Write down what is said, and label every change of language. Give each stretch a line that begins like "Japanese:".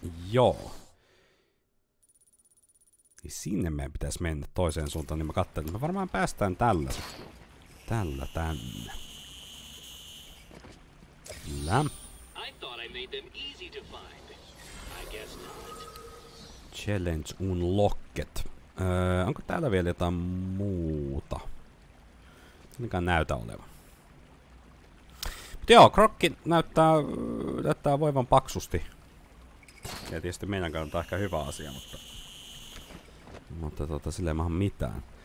Finnish: Joo. Niin sinne meidän pitäisi mennä toiseen suuntaan, niin mä katsoin, että me varmaan päästään tällä tänne. Kyllä.
English: I thought I made them easy to find. I guess not. Challenge unlocked.
Finnish: Onko täällä vielä jotain muuta? Ainakaan näytä olevan. Mut joo, Krokki näyttää voivan paksusti. Ja tietysti meidän kannalta ehkä hyvä asia, mutta tota, sille ei maahan mitään.